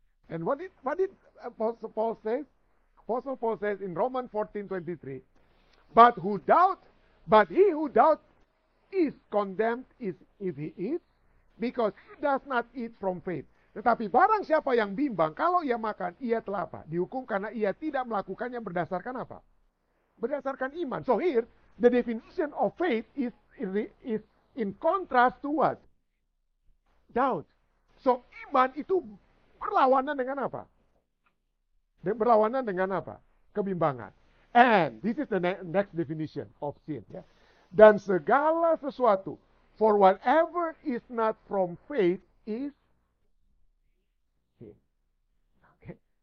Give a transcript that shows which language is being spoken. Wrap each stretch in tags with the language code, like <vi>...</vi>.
<en>And what did Apostle Paul say? Apostle Paul says in Romans 14:23, But he who doubt is condemned if he eats, because he does not eat from faith.</en> <id>Tetapi barang siapa yang bimbang, kalau ia makan, ia telah apa? Dihukum karena ia tidak melakukannya berdasarkan apa? Berdasarkan iman.</id> <en>So here, the definition of faith is in contrast to what? Doubt. So</en> <id>iman itu berlawanan dengan apa? Berlawanan dengan apa? Kebimbangan.</id> <en>And this is the next definition of sin. Yeah?</en> <id>Dan segala sesuatu,</id> <en>for whatever is not from faith, is sin. Okay.</en>